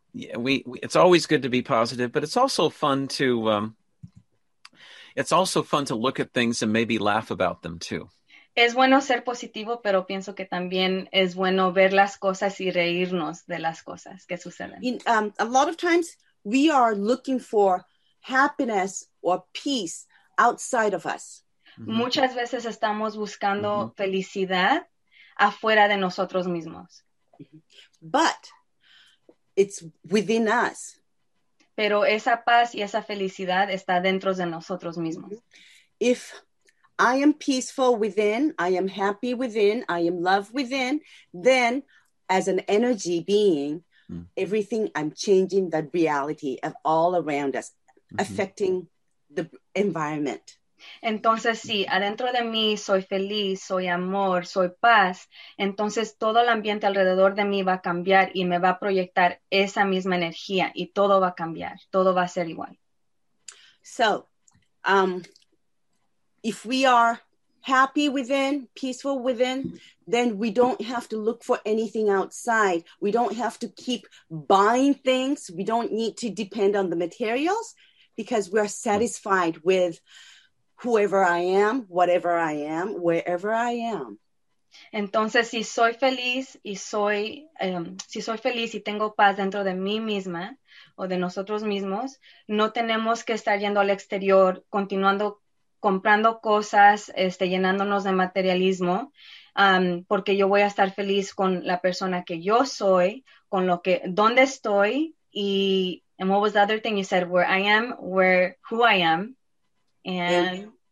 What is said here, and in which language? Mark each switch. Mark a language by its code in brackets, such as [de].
[en] Yeah, it's always good to be positive, but it's also fun to look at things and maybe laugh about them too. [es] Es bueno ser positivo, pero pienso que también es bueno ver las cosas y reírnos de las cosas que suceden. [en] A lot of times we are looking for happiness or peace outside of us. Mm-hmm. [es] Muchas veces estamos buscando mm-hmm. felicidad afuera de nosotros mismos. [en] Mm-hmm. But it's within us. [es] Pero esa paz y esa felicidad está dentro de nosotros mismos. [en] If I am peaceful within, I am happy within, I am love within, then as an energy being, everything I'm changing the reality of all around us, affecting the environment. [es] Entonces, sí, adentro de mí soy feliz, soy amor, soy paz. Entonces, todo el ambiente alrededor de mí va a cambiar y me va a proyectar esa misma energía y todo va a cambiar, todo va a ser igual. [en] So, if we are happy within, peaceful within, then we don't have to look for anything outside. We don't have to keep buying things. We don't need to depend on the materials because we are satisfied with whoever I am, whatever I am, wherever I am. [es] Entonces, si soy feliz y soy, si soy feliz y tengo paz dentro de mí misma o de nosotros mismos, no tenemos que estar yendo al exterior, continuando comprando cosas, llenándonos de materialismo, porque yo voy a estar feliz con la persona que yo soy, con lo que, dónde estoy. [en] Y, and what was the other thing you said? Where I am, where, who I am, and